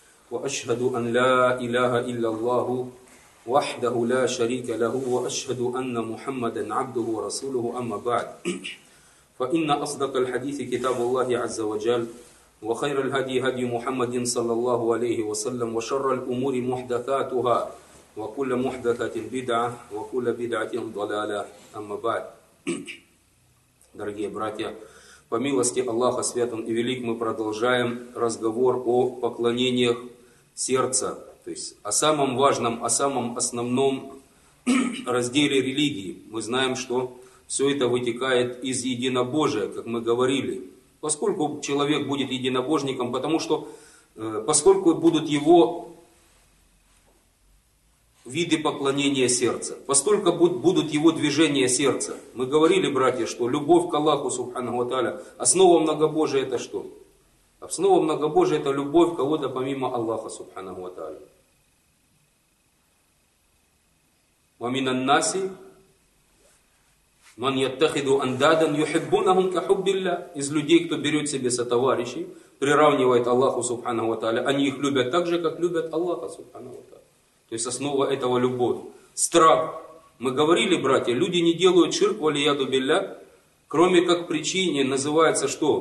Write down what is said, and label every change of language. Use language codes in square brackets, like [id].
[ar] وأشهد أن لا إله إلا الله وحده لا شريك له وأشهد أن محمدا عبده ورسوله. أما بعد، فإن أصدق الحديث كتاب الله عز وجل، وخير الهدي هدي محمد صلى الله عليه وسلم، وشر الأمور محدثاتها، وكل محدثة بدعة، وكل بدعة ضلالة. أما بعد، [ru] дорогие братья, по милости Аллаха, свят он и велик, мы продолжаем разговор о поклонениях сердца, то есть о самом важном, о самом основном разделе религии. Мы знаем, что все это вытекает из единобожия, как мы говорили. Поскольку человек будет единобожником, поскольку будут его виды поклонения сердца, поскольку будут его движения сердца. Мы говорили, братья, что любовь к Аллаху, субхана ва тааля, основа многобожия это что? Основа многобожия это любовь кого-то помимо Аллаха, субхана ва тааля. [ar] وَمِنَ النَّاسِ من يتخذ أندادا يحبونهم كحب الله. [ru] Из людей, кто берет себе сотоварищей, приравнивает Аллаху Субхана ва Тааля. Они их любят так же, как любят Аллаха Субхана ва Тааля. То есть основа этого любовь. Страх. Мы говорили, братья, люди не делают ширк валияду билля, кроме как причине называется что?